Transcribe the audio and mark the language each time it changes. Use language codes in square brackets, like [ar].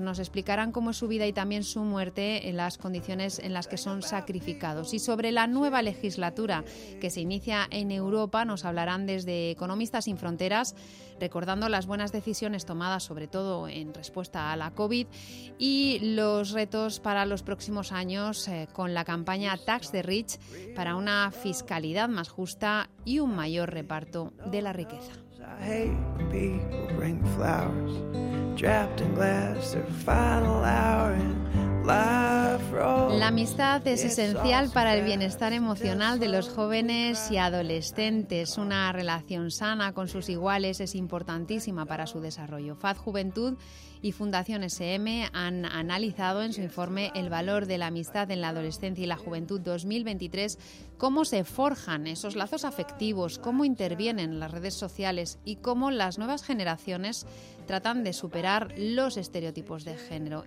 [es] Nos explicarán cómo es su vida y también su muerte en las condiciones en las que son sacrificados. Y sobre la nueva legislatura que se inicia en Europa, nos hablarán desde Economistas sin Fronteras, recordando las buenas decisiones tomadas, sobre todo en respuesta a la COVID, y los retos para los próximos años con la campaña Tax the Rich para una fiscalidad más justa y un mayor reparto de la riqueza. [en] I hate when people bring flowers, trapped in glass, their final hour in life rolls. [es] La amistad es esencial para el bienestar emocional de los jóvenes y adolescentes. Una relación sana con sus iguales es importantísima para su desarrollo. FAD Juventud y Fundación SM han analizado en su informe el valor de la amistad en la adolescencia y la juventud 2023, cómo se forjan esos lazos afectivos, cómo intervienen las redes sociales y cómo las nuevas generaciones tratan de superar los estereotipos de género.